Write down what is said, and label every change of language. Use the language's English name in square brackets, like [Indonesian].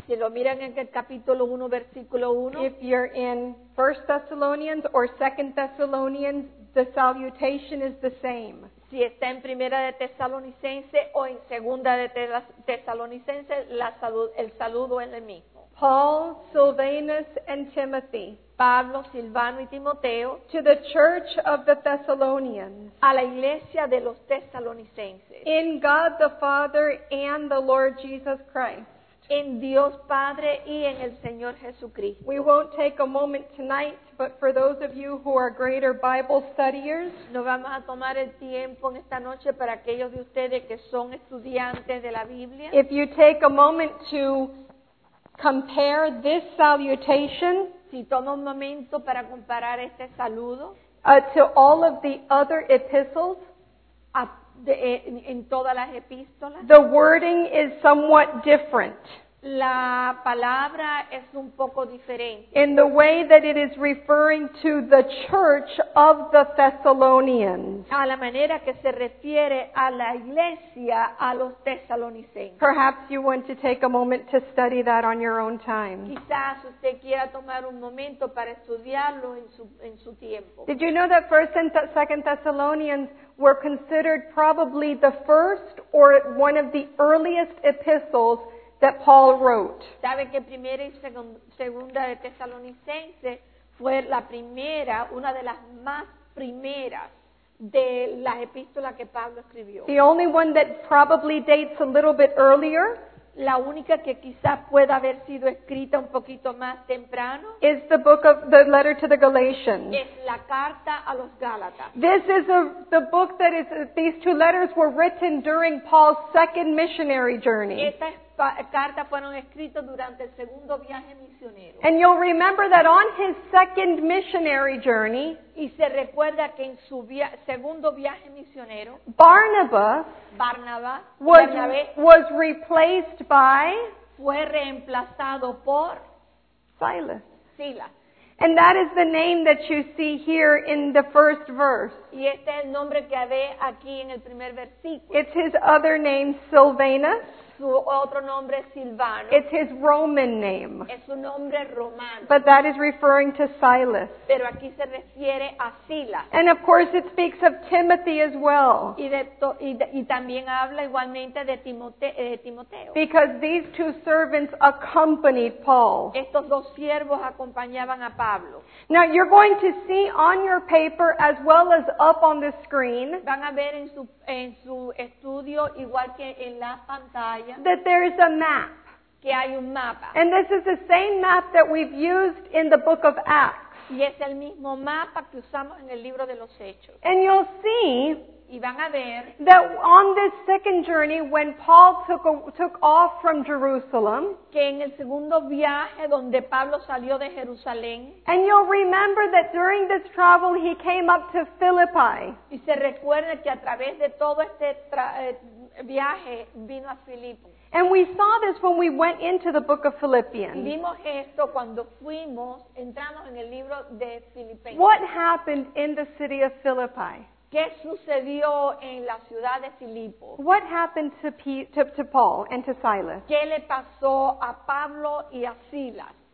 [Spanish] si lo miran en el capítulo 1, versículo 1, [English] if you're in 1 Thessalonians or 2 Thessalonians, the salutation is the same. [Spanish] Si está en Primera de Tesalonicense o en Segunda de Tesalonicense, el saludo es el mismo. [English] Paul, Silvanus, and Timothy. [Spanish] Pablo, Silvano y Timoteo. [English] To the church of the Thessalonians. [Spanish] A la iglesia de los Tesalonicenses. [English] In God the Father and the Lord Jesus Christ. [Spanish] En Dios Padre y en el Señor Jesucristo. [English] We won't take a moment tonight, but for those of you who are greater Bible studiers, [Spanish] no vamos a tomar el tiempo en esta noche para aquellos de ustedes que son estudiantes de la Biblia. [English] If you take a moment to compare this salutation, [Spanish] si toma un momento para comparar este saludo, [English] to all of the other epistles, [Spanish] en todas las epístolas, [English] the wording is somewhat different. [Spanish] La palabra es un poco diferente. [English] In the way that it is referring to the church of the Thessalonians. [Spanish] A la manera que se refiere a la iglesia, a los tesalonicenses. [English] Perhaps you want to take a moment to study that on your own time. [Spanish] Quizás usted quiera tomar un momento para estudiarlo en su tiempo. [English] Did you know that 1 and 2 Thessalonians were considered probably the first or one of the earliest epistles that Paul wrote? [Spanish] ¿Sabe que Primera y Segunda de Tesalonicense fue la primera, una de las más primeras de las epístolas que Pablo escribió? [English] The only one that probably dates a little bit earlier, [Spanish] la única que quizás pueda haber sido escrita un poquito más temprano, [English] is the book of the letter to the Galatians. [Spanish] Es la carta a los Gálatas. [English] This is the book that is, these two letters were written during Paul's second missionary journey. [Spanish] Cartas fueron escritas durante el segundo viaje misionero. [English] And you'll remember that on his second missionary journey, [Spanish] y se recuerda que en su segundo viaje misionero, [English] Barnabas was replaced by, [Spanish] fue reemplazado por, [English] Silas. And that is the name that you see here in the first verse. [Spanish] Y este es el nombre que ve aquí en el primer versículo. [English] It's his other name, Silvanus. [Spanish] Su otro nombre es Silvano. [English] It's his Roman name. [Spanish] Es su nombre romano. [English] But that is referring to Silas. [Spanish] Pero aquí se refiere a Silas. [English] And of course it speaks of Timothy as well. [Spanish] Y también habla igualmente de Timoteo. [English] Because these two servants accompanied Paul. [Spanish] Estos dos siervos acompañaban a Pablo. [English] Now you're going to see on your paper as well as up on the screen, [Spanish] van a ver en su estudio igual que en la pantalla, [English] that there is a map. [Spanish] Que hay un mapa. [English] And this is the same map that we've used in the book of Acts. [Spanish] Y es el mismo mapa que usamos en el libro de los Hechos. [English] And you'll see, [Spanish] y van a ver, [English] that on this second journey when Paul took off from Jerusalem, [Spanish] que en el segundo viaje donde Pablo salió de Jerusalén, [English] and you'll remember that during this travel he came up to Philippi. [Spanish] Y se recuerda que a través de todo este viaje vino a Filipo. [English] And we saw this when we went into the book of Philippians. [Spanish] Vimos esto cuando entramos en el libro de Filipenses. [English] What happened in the city of Philippi? [Spanish] ¿Qué sucedió en la ciudad de Filipo? [English] What happened to Paul and to Silas? [Spanish] ¿Qué le pasó a Pablo y a Silas?